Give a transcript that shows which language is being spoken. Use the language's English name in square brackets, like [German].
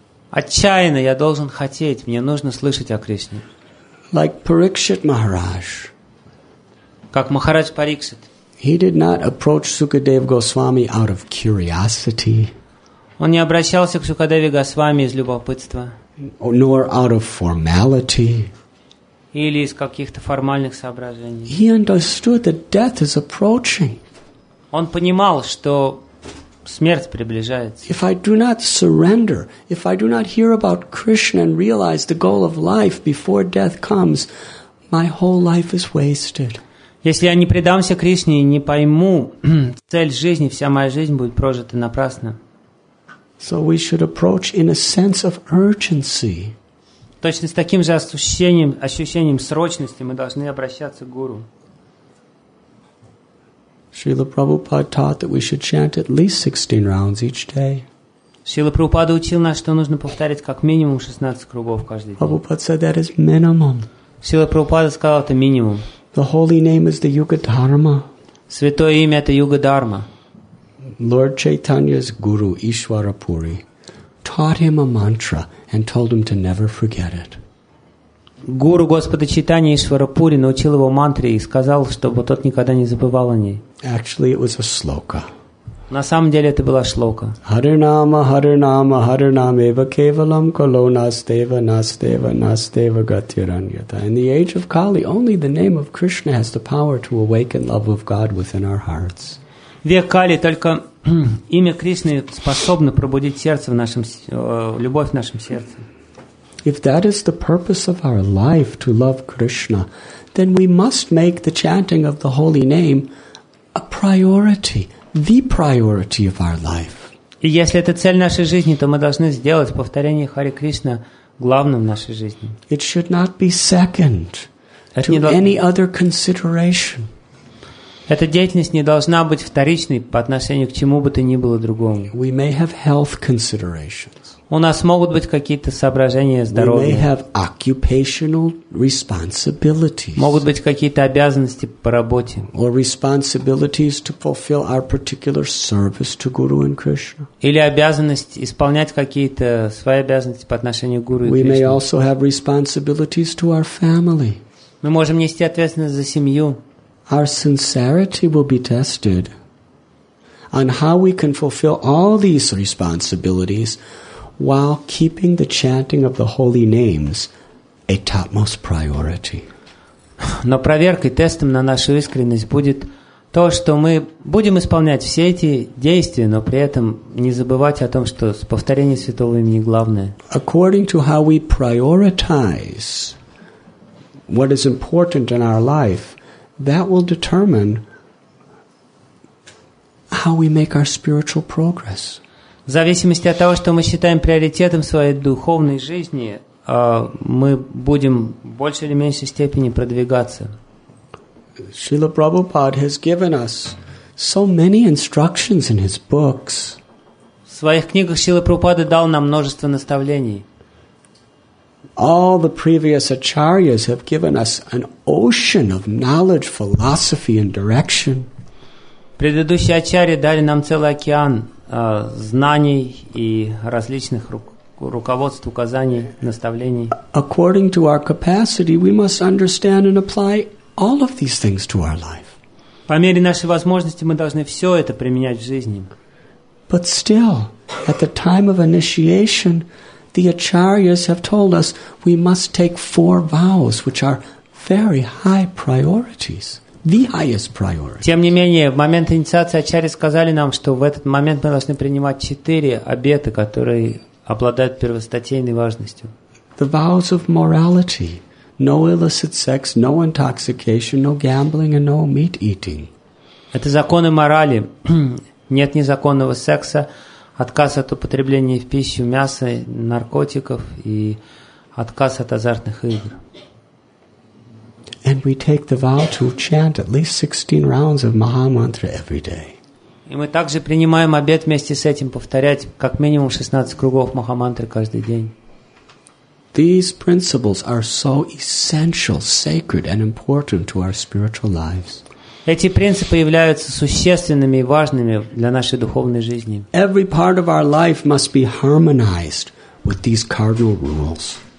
[Russian] Отчаянно я должен хотеть, мне нужно слышать о Кришне. [English] Like Parikshit Maharaj. [Russian] Как Махарадж Парикшит. [English] He did not approach Sukadev Goswami out of curiosity. [Russian] Он не обращался к Сукадеве Госвами из любопытства. [English] Nor out of formality. [Russian] Или из каких-то формальных соображений. [English] He understood that death is approaching. [Russian] Он понимал, что смерть приближается. [English] If I do not surrender, if I do not hear about Krishna and realize the goal of life before death comes, my whole life is wasted. [Russian] Если я не предамся Кришне и не пойму цель жизни, вся моя жизнь будет прожита напрасно. [English] So we should approach in a sense of urgency. [Russian] Точно с таким же ощущением срочности мы должны обращаться к гуру. [English] Srila Prabhupada taught that we should chant at least 16 rounds each day. [Russian] Srila Prabhupada учил нас, что нужно повторять как минимум 16 кругов каждый день. [English] Prabhupada said that is minimum. [Russian] Srila Prabhupada сказал, это минимум. [English] The holy name is the Yuga Dharma. [Russian] Святое имя это Юга Дхарма. [English] Lord Chaitanya's guru Ishwara Puri taught him a mantra and told him to never forget it. [Russian] Гуру Господа Чайтаньи Ишвара Пури научил его мантре и сказал, чтобы тот никогда не забывал о ней. [English] Actually, it was a shloka. [Russian] На самом деле это была шлока. [Sanskrit] Харинама, харинама, харинамева кевалам кало настева, настева, настева гатираньята. [English] In the age of Kali, only the name of Krishna has the power to awaken love of God within our hearts. [Russian] Век Кали, только имя Кришны способно пробудить сердце в нашем, любовь в нашем сердце. [English] If that is the purpose of our life, to love Krishna, then we must make the chanting of the holy name a priority, the priority of our life. [Russian] И если это цель нашей жизни, то мы должны сделать повторение Хари Кришна главным в нашей жизни. [English] It should not be second to any other consideration. [Russian] Эта деятельность не должна быть вторичной по отношению к чему бы то ни было другому. [English] We may have health considerations. [Russian] У нас могут быть какие-то соображения здоровья. [English] We may have occupational responsibilities. [Russian] Могут быть какие-то обязанности по работе. [English] Or responsibilities to fulfill our particular service to Guru and Krishna. [Russian] Или обязанность исполнять какие-то свои обязанности по отношению к Гуру и Кришне. [English] We may also have responsibilities to our family. [Russian] Мы можем нести ответственность за семью. [English] Our sincerity will be tested on how we can fulfill all these responsibilities while keeping the chanting of the holy names a topmost priority. [Russian] Но проверкой, тестом на нашу искренность будет то, что мы будем исполнять все эти действия, но при этом не забывать о том, что повторение святого имени главное. [English] According to how we prioritize what is important in our life, that will determine how we make our spiritual progress. [Russian] В зависимости от того, что мы считаем приоритетом своей духовной жизни, мы будем в большей или меньшей степени продвигаться. [English] Srila Prabhupada has given us so many instructions in his books. [Russian] В своих книгах Srila Prabhupada дал нам множество наставлений. [English] All the previous acharyas have given us an ocean of knowledge, philosophy, and direction. [Russian] Предыдущие ачарьи дали нам целый океан знаний и различных руководств, указаний, наставлений. [English] According to our capacity, we must understand and apply all of these things to our life. [Russian] По мере нашей возможности мы должны все это применять в жизни. [English] But still, at the time of initiation, the acharyas have told us we must take four vows, which are very high priorities, the highest priorities. [Russian] Тем не менее, в момент инициации ачарьи сказали нам, что в этот момент мы должны принимать четыре обета, которые обладают первостатейной важностью. [English] The vows of morality: no illicit sex, no intoxication, no gambling, and no meat eating. [Russian] Это законы морали. Нет незаконного секса. Отказ от употребления в пищу мяса, наркотиков и отказ от азартных игр. [English] And we take the vow to chant at least 16 rounds of Maha Mantra every day. [Russian] И мы также принимаем обет вместе с этим повторять как минимум 16 кругов Маха Мантры каждый день. [English] These principles are so essential, sacred and important to our spiritual lives. [Russian] Эти принципы являются существенными и важными для нашей духовной жизни. [English] Every part of our life must be harmonized with these cardinal rules.